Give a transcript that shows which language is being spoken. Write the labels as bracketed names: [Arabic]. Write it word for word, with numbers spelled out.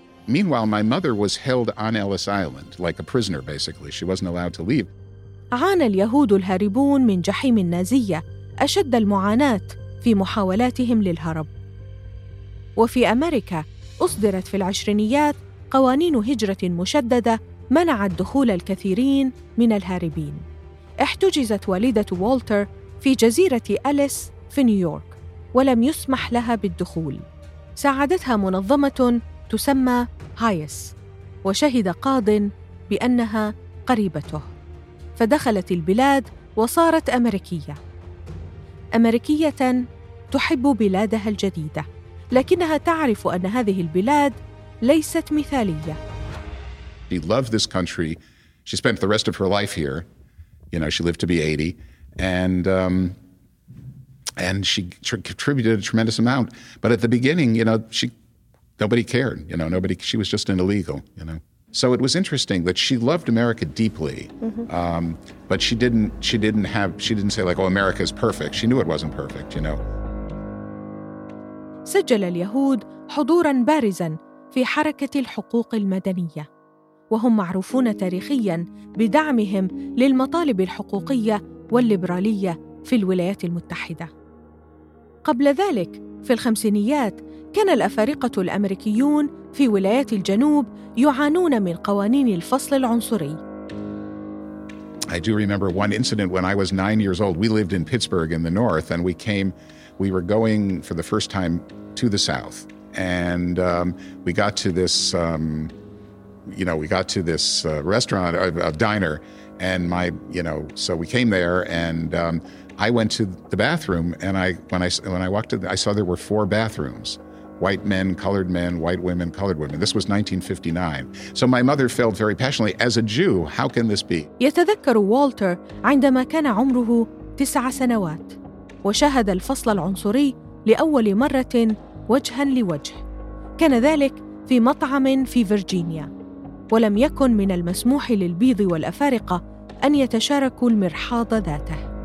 [English] Meanwhile, my mother was held on Ellis Island, like a prisoner, basically. She wasn't allowed to leave. [Arabic] عانى اليهود الهاربون من جحيم النازية أشد المعاناة في محاولاتهم للهرب. وفي أمريكا أصدرت في العشرينيات قوانين هجرة مشددة منعت دخول الكثيرين من الهاربين. احتجزت والدة والتر في جزيرة أليس في نيويورك، ولم يسمح لها بالدخول. ساعدتها منظمة تسمى هايس، وشهد قاضٍ بأنها قريبته، فدخلت البلاد وصارت أمريكية، أمريكية تحب بلادها الجديدة، لكنها تعرف أن هذه البلاد ليست مثالية. [English] She loved this country. She spent the rest of her life here. You know, she lived to be eighty, and um, and she contributed a tremendous amount. But at the beginning, you know, she Nobody cared, you know, nobody, she was just an illegal, you know. So it was interesting that she loved America deeply, mm-hmm. um, but she didn't, she didn't have, she didn't say like, oh, America's perfect. She knew it wasn't perfect, you know. [Arabic] سجل اليهود حضوراً بارزاً في حركة الحقوق المدنية، وهم معروفون تاريخياً بدعمهم للمطالب الحقوقية والليبرالية في الولايات المتحدة. قبل ذلك، في الخمسينيات، كان الأفارقة الأمريكيون في ولايات الجنوب يعانون من قوانين الفصل العنصري. [English] I do remember one incident when I was nine years old. We lived in Pittsburgh in the north, and we came, we were going for the first time to the south, and um, we got to this, um, you know, we got to this uh, restaurant, a uh, diner, and my, you know, so we came there, and um, I went to the bathroom, and I when I when I walked in, I saw there were four bathrooms. White men, colored men, white women, colored women. This was nineteen fifty-nine. So my mother felt very passionately, as a Jew, how can this be? [Arabic] يتذكر والتر عندما كان عمره تسع سنوات وشاهد الفصل العنصري لأول مرة وجهاً لوجه. كان ذلك في مطعم في فرجينيا، ولم يكن من المسموح للبيض والأفارقة أن يتشاركوا المرحاض ذاته.